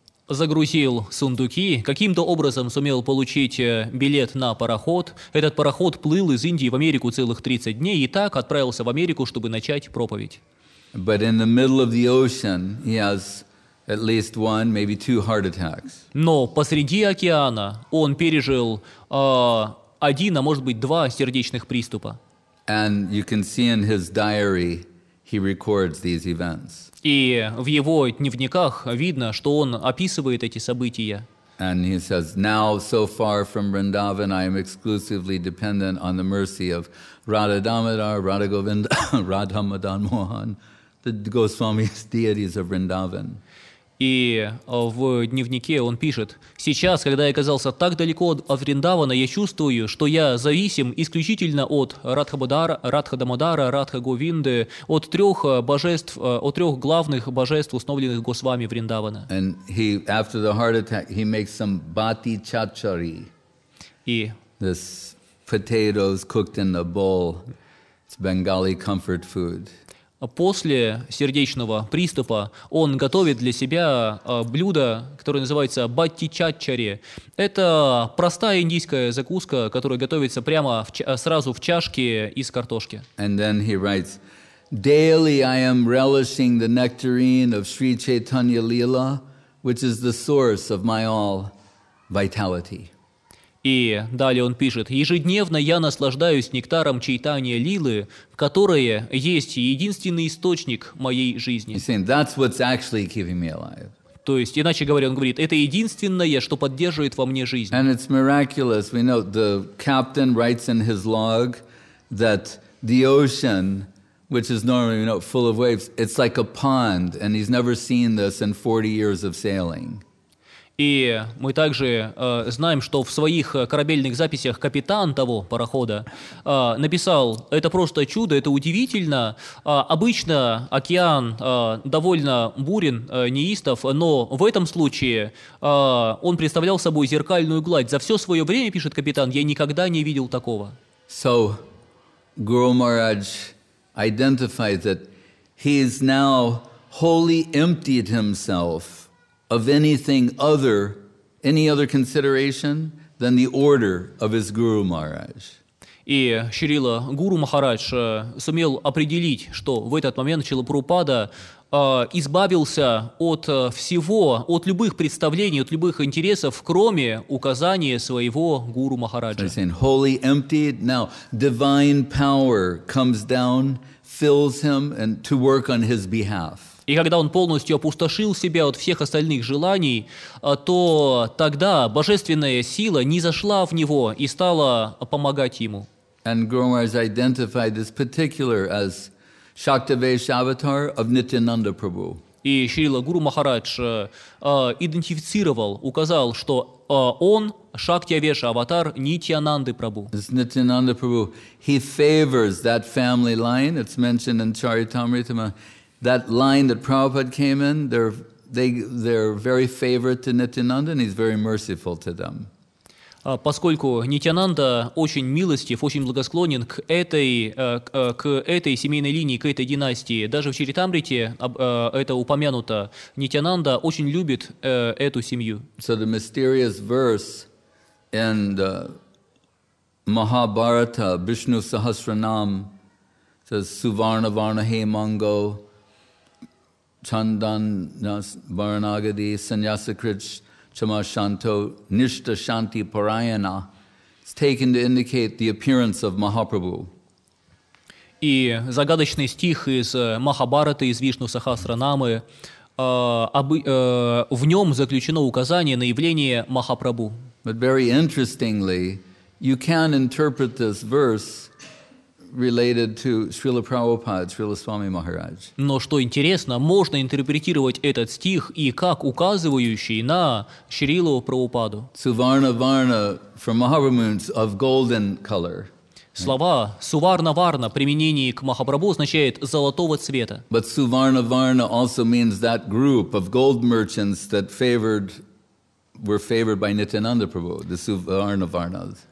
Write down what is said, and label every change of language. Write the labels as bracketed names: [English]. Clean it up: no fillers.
[Russian] Загрузил сундуки, каким-то образом сумел получить билет на пароход. Этот пароход плыл из Индии в Америку целых 30 дней и так отправился в Америку, чтобы начать проповедь. [English] But in the middle of the ocean, he has At least one, maybe two heart attacks. [Russian] Но посреди океана он пережил один, а может быть, два сердечных приступа. [English] And you can see in his diary, he records these events. [Russian] И в его дневниках видно, что он описывает эти события. [English] And he says, now, so far from Vrindavan, I am exclusively dependent on the mercy of Radha Damodar, Radha Govinda, Radha Madan Mohan, the Goswami's deities of Vrindavan. [Russian] И в дневнике он пишет, сейчас, когда я оказался так далеко от Вриндавана, я чувствую, что я зависим исключительно от Радха Дамодара, Радха Говинды, от трех божеств, от трех главных божеств, установленных Госвами Вриндавана. [English] And he, after the heart attack, he makes some bati chachari. [Russian] И [English] this potatoes cooked in a bowl. It's Bengali comfort food. [Russian] После сердечного приступа он готовит для себя блюдо, которое называется батти-чачари. Это простая индийская закуска, которая готовится прямо в сразу в чашке из картошки. [English] And then he writes, daily I am relishing the nectarine of Sri Chaitanya Lila, which is the source of my all vitality. [Russian] И далее он пишет, ежедневно я наслаждаюсь нектаром Чайтанья Лилы, которая есть единственный источник моей жизни. [English] Saying, that's what's actually keeping me alive. [Russian] То есть, иначе говоря, он говорит, это единственное, что поддерживает во мне жизнь. [English] And it's miraculous. We know the captain writes in his log that the ocean, which is normally, you know, full of waves, it's like a pond, and he's never seen this in 40 years of sailing. [Russian] И мы также знаем, что в своих корабельных записях капитан того парохода написал, это просто чудо, это удивительно. Обычно океан довольно бурен, неистов, но в этом случае он представлял собой зеркальную гладь. За все свое время, пишет капитан, я никогда не видел такого. [English] So, Guru Maharaj identified that he is now wholly emptied himself of any other consideration than the order of his Guru Maharaj. [Russian] И Шрила Гуру Махарадж сумел определить, что в этот момент Шрила Прабхупада избавился от всего, от любых представлений, от любых интересов, кроме указания своего Гуру Махараджа. [English] So saying, wholly emptied, now divine power comes down, fills him and to work on his behalf. [Russian] И когда он полностью опустошил себя от всех остальных желаний, то тогда божественная сила не зашла в него и стала помогать ему. [English] And Guru Maharaj identified this particular as Shaktivesh avatar of Nityananda Prabhu. [Russian] И Шрила Гуру Махарадж идентифицировал, указал, что он Шактивеш аватар Нитьянанды Прабху. [English] This Nityananda Prabhu, he favors that family line. It's mentioned in Charitamrita. That line that Prabhupada came in, they're very favorite to Nityananda, and he's very merciful to them. [Russian] Поскольку Нитьянанда очень милостив, очень благосклонен к этой семейной линии, к этой династии, даже в Чаритамрите это упомянуто, Нитьянанда очень любит эту семью. [English] So the mysterious verse in the Mahabharata, Vishnu Sahasranam, says, [Sanskrit] Suvarna Varna He Mango, Chandan Nas Varanagadi Sanyasakrich Chama Shanto Nishta Shanti Parayana. [English] It's taken to indicate the appearance of Mahaprabhu. [Russian] И загадочный стих из Махабхараты, из Вишну Сахасранамы, в нем заключено указание на явление Махапрабху. [English] But very interestingly, you can interpret this verse related to Srila Prabhupada, Srila Swami Maharaj. [Russian] Но что интересно, можно интерпретировать этот стих и как указывающий на Шрилу Прабхупаду. [English] Suvarna Varna from Mahaprabhu means of golden color. [Russian] Слова Suvarna Varna в применении к Махапрабху означает золотого цвета. [English] But Suvarna Varna also means that group of gold merchants that were favored by Nityananda Prabhu, the Suvarna Varnas.